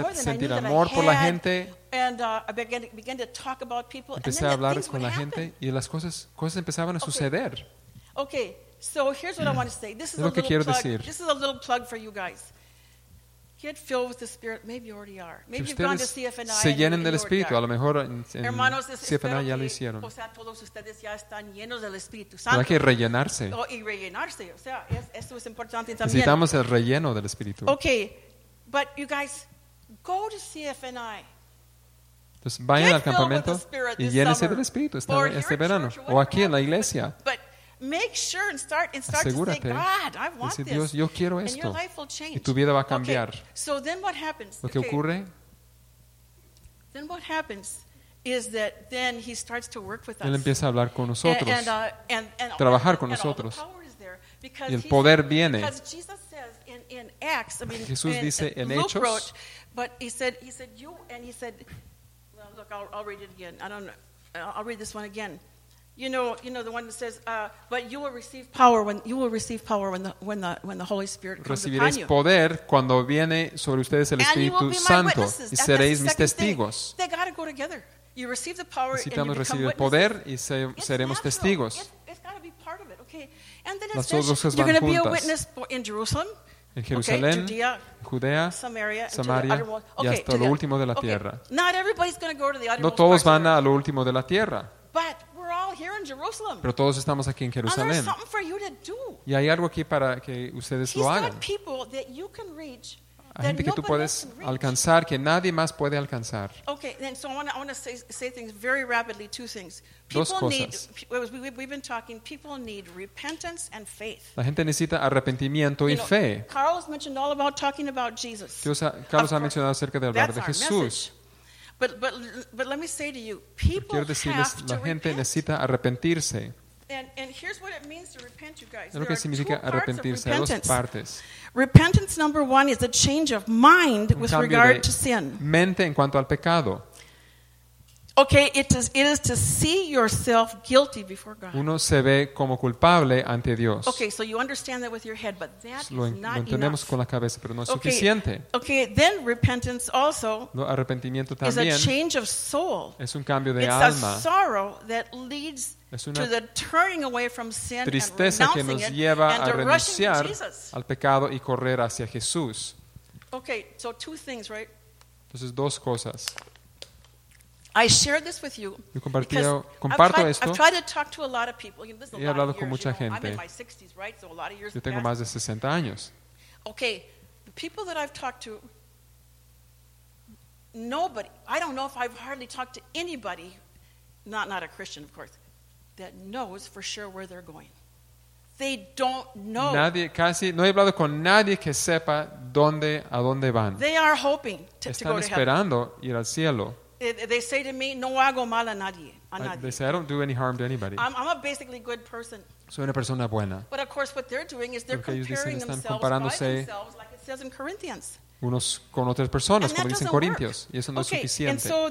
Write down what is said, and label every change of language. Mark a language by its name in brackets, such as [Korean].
[English] more than I knew that I had. [Spanish] Sentir amor por la gente. [English] And I began to talk about people. [Spanish] Empecé [English] and then [Spanish] a hablar con la [English] happen. [Spanish] Gente, y las cosas empezaban a suceder. [English] Okay, so here's what I want to say. This is [Spanish] lo que quiero decir. [English] This is a little plug for you guys. Get filled with the Spirit. Maybe you already are. Maybe you've gone to CFNI. [Spanish] Se llenen del Espíritu. A lo mejor en CFNI ya lo hicieron. O sea, todos ustedes ya están llenos del Espíritu Santo. Pero hay que rellenarse. Y rellenarse. O sea, eso es importante también. Necesitamos el relleno del Espíritu. [English] Okay, but you guys, go to CFNI. [Spanish] Entonces vayan al campamento y llénense del Espíritu este verano. O aquí en la iglesia. [English] But make sure and start [Spanish] Asegúrate, [English] to say, God, I want [Spanish] decir, Dios, yo quiero esto. [English] And your life will change. [Spanish] Y tu vida va a cambiar. [English] Okay. So then what happens? [Spanish] Lo que ocurre. [English] Then what happens is that then he starts to work with us. [Spanish] Él empieza a hablar con nosotros. [English] And [Spanish] trabajar [English] all, [Spanish] con nosotros. [English] And all the power is there because [Spanish] y el poder viene. [English] Because Jesus says in Acts, I mean, [Spanish] Jesús dice en Hechos. [English] Wrote, but he said you and he said, well, look, I'll read it again. I don't know. I'll read this one again. You know the one that says, "But you will receive power when the Holy Spirit comes upon you." [Spanish] Recibiréis poder cuando viene sobre ustedes el Espíritu Santo y seréis mis testigos. [English] They gotta go together. You receive the power. [Spanish] Necesitamos recibir el poder y seremos testigos. [English] It's gotta be part of it, okay? And then it says, "You're gonna be a witness in Jerusalem." [Spanish] En Jerusalén, [English] okay, Judea, [Spanish] Judea, [English] Samaria, [Spanish] Samaria [English] okay, [Spanish] y hasta lo último de la tierra. [English] Okay. Not everybody's gonna go to the. [Spanish] No todos van a lo último de la tierra. [English] But here in Jerusalem. [Spanish] Pero todos estamos aquí en Jerusalén. [English] And there's something for you to do. [Spanish] Y hay algo aquí para que ustedes [English] He's [Spanish] lo hagan. [English] Got people that you can reach, [Spanish] hay gente que tú puedes alcanzar, que nadie más puede alcanzar. [English] Okay, then so I want to say things very rapidly, two things. People [Spanish] Dos cosas. [English] Need, we've been talking, people need repentance and faith. [Spanish] La gente necesita arrepentimiento y [English] you know, [Spanish] fe. [English] Carlos mentioned all about talking about Jesus. [Spanish] Carlos ha mencionado acerca de hablar de Jesús. [English] Message. But let me say to you, people have to repent. [Spanish] La gente necesita arrepentirse. [English] And here's what it means to repent, you guys. [Spanish] Es lo que significa arrepentirse. Hay dos partes. [English] Repentance number one is a change of mind with regard to sin. [Spanish] Mente en cuanto al pecado. [English] Okay, it is to see yourself guilty before God. [Spanish] Uno se ve como culpable ante Dios. [English] Okay, so you understand that with your head, but that is not enough. [Spanish] Lo entendemos con la cabeza, pero no es suficiente. [English] Okay, then repentance also. [Spanish] Lo arrepentimiento también. [English] Is a change of soul. [Spanish] Es un cambio de [English] it's [Spanish] alma. [English] It's a sorrow that leads to the turning away from sin and [Spanish] tristeza que nos lleva a renunciar al pecado y correr hacia Jesús. [English] Okay, so two things, right? [Spanish] Entonces dos cosas. [English] I share this with you. [Spanish] Yo comparto esto. [English] I've tried to talk to a lot of people. [Spanish] He hablado con mucha gente. [English] I'm in my 60s, right? So a lot of years. [Spanish] Yo tengo más de 60 años. [English] Okay, the people that I've talked to, nobody. I don't know if I've hardly talked to anybody, not a Christian, of course, that knows for sure where they're going. They don't know. [Spanish] Nadie, casi, no he hablado con nadie que sepa a dónde van. [English] They are hoping to go to heaven. [Spanish] Están esperando ir al cielo. [English] They say to me, [Spanish] no hago mal a nadie. [English] They say, I don't do any harm to anybody. I'm a basically good person. [Spanish] Soy una persona buena. [English] But of course, what they're doing is they're comparing themselves by themselves, like it says in Corinthians. [Spanish] Unos con otras personas, [English] and [Spanish] como dicen Corintios. Y eso no es suficiente.